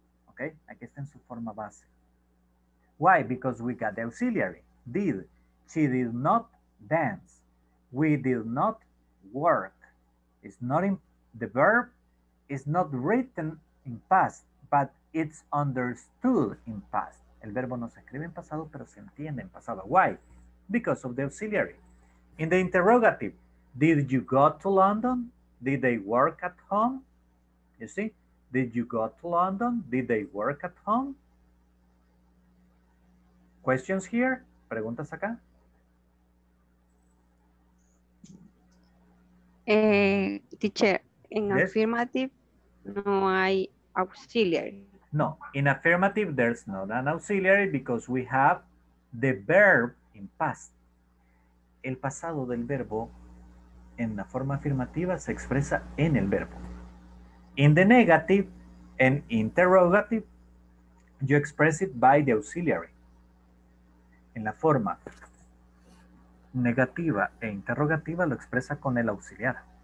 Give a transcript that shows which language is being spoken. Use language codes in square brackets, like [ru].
[en] Okay? [es] Aquí está en su forma base. [en] Why? Because we got the auxiliary, did. She did not dance. We did not work. It's not in the verb is not written in past, but it's understood in past. [es] El verbo no se escribe en pasado, pero se entiende en pasado. [en] Why? Because of the auxiliary. In the interrogative, did you go to London? Did they work at home? You see? Did you go to London? Did they work at home? Questions here? [es] ¿Preguntas acá? [en] Teacher, in yes? Affirmative, [es] no hay [en] auxiliary. No, in affirmative, there's not an auxiliary because we have the verb in past. [es] El pasado del verbo en la forma afirmativa se expresa en el verbo. [en] In the negative, in interrogative, you express it by the auxiliary. [es] En la forma negativa e interrogativa lo expresa con el auxiliar.